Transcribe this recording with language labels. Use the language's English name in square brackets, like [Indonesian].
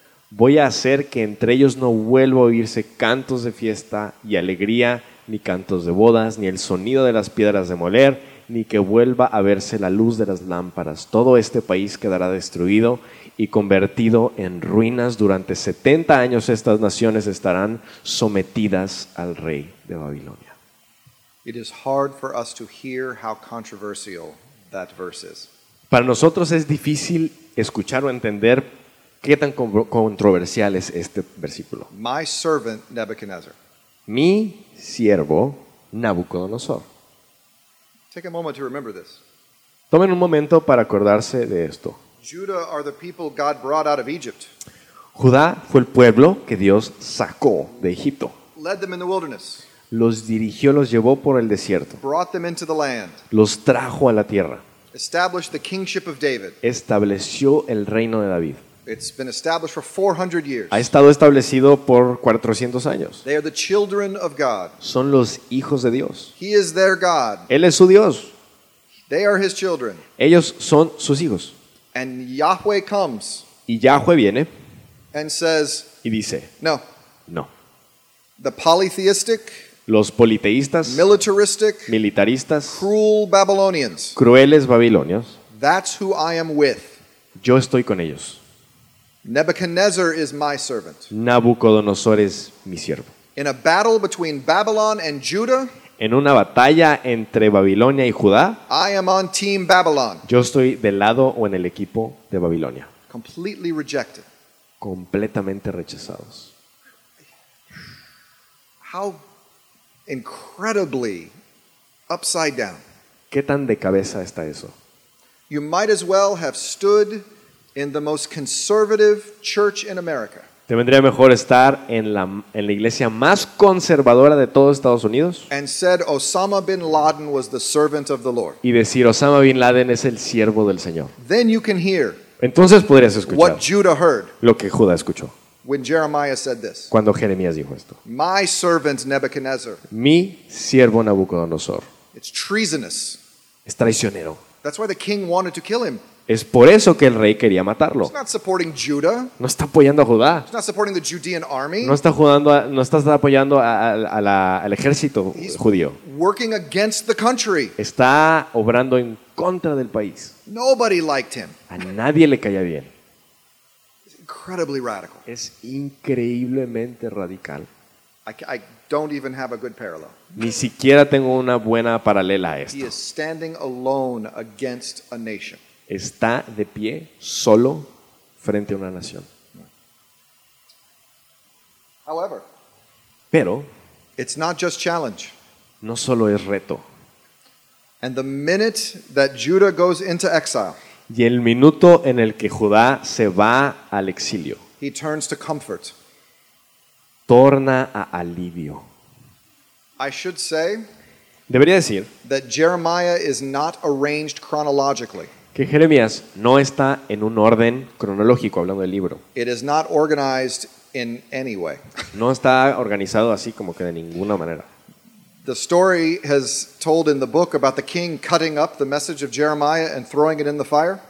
[Spanish] Voy a hacer que entre ellos no vuelva a oírse cantos de fiesta y alegría, ni cantos de bodas, ni el sonido de las piedras de moler, ni que vuelva a verse la luz de las lámparas. Todo este país quedará destruido y convertido en ruinas. Durante 70 años estas naciones estarán sometidas al rey de Babilonia. [English] It is hard for us to hear how controversial that verse is. [Spanish] Para nosotros es difícil escuchar o entender qué tan controversial es este versículo. [English] My servant Nebuchadnezzar. [Spanish] Mi siervo Nabucodonosor. [English] Take a moment to remember this. [Spanish] Tomen un momento para acordarse de esto. [English] Judah are the people God brought out of Egypt. [Spanish] Judá fue el pueblo que Dios sacó de Egipto. [English] Led them in the wilderness. [Spanish] Los dirigió, los llevó por el desierto. [English] Brought them into the land. [Spanish] Los trajo a la tierra. [English] Established the kingship of David. [Spanish] Estableció el reino de David. [English] It's been established for 400 years. [Spanish] Ha estado establecido por 400 años. [English] They are the children of God. [Spanish] Son los hijos de Dios. [English] He is their God. [Spanish] Él es su Dios. [English] They are his children. [Spanish] Ellos son sus hijos. [English] And Yahweh comes. [Spanish] Y Yahweh viene. [English] And says. [Spanish] Y dice. [English] No. [Spanish] No. [English] The polytheistic. [Spanish] Los politeístas. [English] Militaristic. [Spanish] Militaristas. [English] Cruel Babylonians. [Spanish] Crueles babilonios. [English] That's who I am with. [Spanish] Yo estoy con ellos. [English] Nebuchadnezzar is my servant. [Spanish] Nabucodonosor es mi siervo. [English] In a battle between Babylon and Judah, [Spanish] en una batalla entre Babilonia y Judá, [English] I am on team Babylon. [Spanish] Yo estoy del lado o en el equipo de Babilonia. [English] Completely rejected. [Spanish] Completamente rechazados. [English] How incredibly upside down. [Spanish] ¿Qué tan de cabeza está eso? [English] You might as well have stood in the most conservative church in America. [Spanish] ¿Te vendría mejor estar en la iglesia más conservadora de todo Estados Unidos? [English] And said Osama bin Laden was the servant of the Lord. [Spanish] Y decir Osama bin Laden es el siervo del Señor. [English] Then you can hear. [Spanish] Entonces podrías escuchar. [English] What Judah heard. [Spanish] Lo que Judá escuchó. [English] When Jeremiah said this. [Spanish] Cuando Jeremías dijo esto. [English] My servant Nebuchadnezzar. [Spanish] Mi siervo Nabucodonosor. [English] It's treasonous. [Spanish] Es traicionero. [English] That's why the king wanted to kill him. [Spanish] Es por eso que el rey quería matarlo. [English] He's not supporting Judah. [Spanish] No está apoyando a Judá. [English] He's not supporting the Judean army. [Spanish] No está jugando, no está apoyando al ejército [English] He's [Spanish] judío. [English] Working against the country. [Spanish] Está obrando en contra del país. [English] Nobody liked him. [Spanish] A nadie le caía bien. [English] It's incredibly radical. [Spanish] Es increíblemente radical. [English] I don't even have a good parallel. [Spanish] Ni siquiera tengo una buena paralela a esto. [English] He is standing alone against a nation. [Spanish] Está de pie solo frente a una nación. [English] However, [Spanish] pero [English] it's not just challenge. [Spanish] No solo es reto. [English] And the minute that Judah goes into exile, [Spanish] y el minuto en el que Judá se va al exilio, [English] he turns to comfort. [Spanish] Torna a alivio. [English] I should say, [Spanish] debería decir [English] that Jeremiah is not arranged chronologically. [Spanish] Que Jeremías no está en un orden cronológico hablando del libro. [English] It is not organized in any way. [Spanish] No está organizado así como que de ninguna manera. [English] The story has told in the book about the king cutting up the message of Jeremiah and throwing it in the fire.